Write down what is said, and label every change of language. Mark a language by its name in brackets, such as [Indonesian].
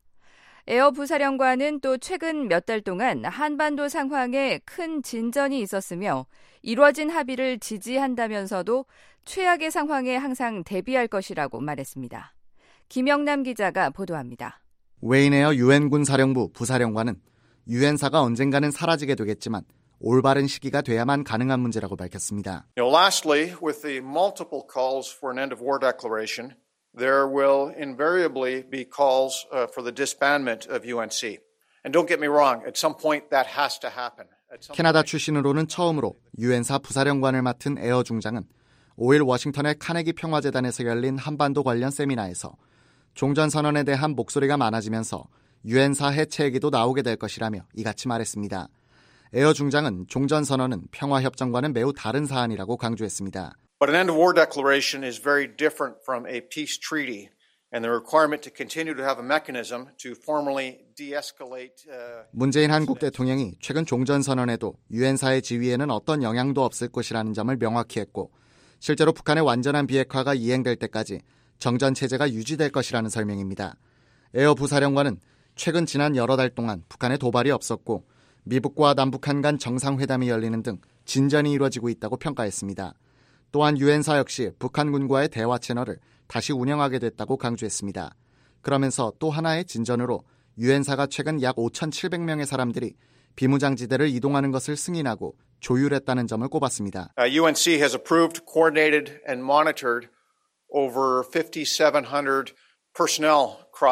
[Korean] 에어 부사령관은 또 최근 몇 달 동안 한반도 상황에 큰 진전이 있었으며 이루어진 합의를 지지한다면서도 최악의 상황에 항상 대비할 것이라고 말했습니다. 김영남 기자가 보도합니다. 웨인에어 유엔군 사령부 부사령관은 유엔사가 언젠가는 사라지게 되겠지만 올바른 시기가 돼야만 가능한 문제라고 밝혔습니다. [English] Lastly, with the multiple calls for an end of war declaration, there will invariably be calls for the disbandment of UNC. And don't get me wrong, at some point that has to happen. [Korean] 캐나다 출신으로는 처음으로 유엔사 부사령관을 맡은 에어 중장은 5일 워싱턴의 카네기 평화재단에서 열린 한반도 관련 세미나에서 종전 선언에 대한 목소리가 많아지면서 유엔사 해체 얘기도 나오게 될 것이라며 이같이 말했습니다. 에어 중장은 종전선언은 평화협정과는 매우 다른 사안이라고 강조했습니다. [English] But an end of war declaration is very different from a peace treaty and the requirement to continue to have a mechanism to formally de-escalate. [Korean] 문재인 한국 대통령이 최근 종전선언에도 유엔사의 지위에는 어떤 영향도 없을 것이라는 점을 명확히 했고 실제로 북한의 완전한 비핵화가 이행될 때까지 정전체제가 유지될 것이라는 설명입니다. 에어 부사령관은 최근 지난 여러 달 동안 북한의 도발이 없었고 미북과 남북한 간 정상회담이 열리는 등 진전이 이루어지고 있다고 평가했습니다. 또한 유엔사 역시 북한군과의 대화 채널을 다시 운영하게 됐다고 강조했습니다. 그러면서 또 하나의 진전으로 유엔사가 최근 약 5,700명의 사람들이 비무장지대를 이동하는 것을 승인하고 조율했다는 점을 꼽았습니다. [English] UNC has approved, coordinated and monitored over 5,700 personnel.